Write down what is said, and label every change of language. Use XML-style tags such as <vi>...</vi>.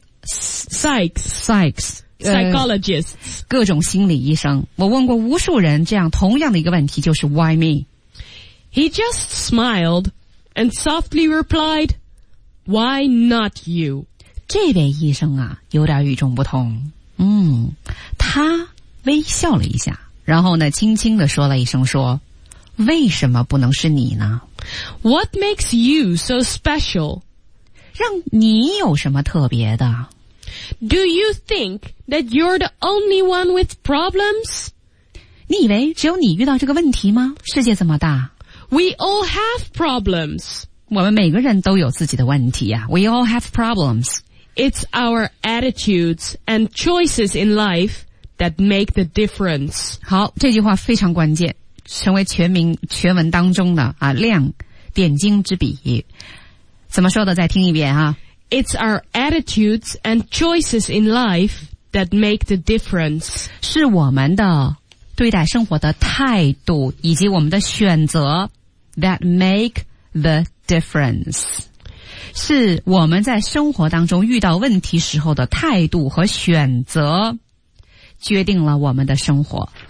<en>psychs psychologists</en> <zh>各种心理医生我问过无数人这样同样的一个问题就是</zh> <en>why me he just smiledAnd softly replied, why not you?</en> <zh>这位医生啊有点与众不同。嗯他微笑了一下然后呢轻轻地说了一声说为什么不能是你呢</zh> <en>What makes you so special?</en> <zh>让你有什么特别的</zh> <en>Do you think that you're the only one with problems?</en> <zh>你以为只有你遇到这个问题吗？世界这么大。</zh> <en>We all have problems.</en> <zh>我们每个人都有自己的问题啊。</zh> <en>We all have problems. It's our attitudes and choices in life that make the difference.</en> <zh>好，这句话非常关键，成为全文当中的啊亮点睛之笔。怎么说的？再听一遍啊。</zh> <en>It's our attitudes and choices in life that make the difference.</en> <zh>是我们的对待生活的态度以及我们的选择</zh> <en>that make the difference</en> <zh>是我们在生活当中遇到问题时候的态度和选择决定了我们的生活</zh>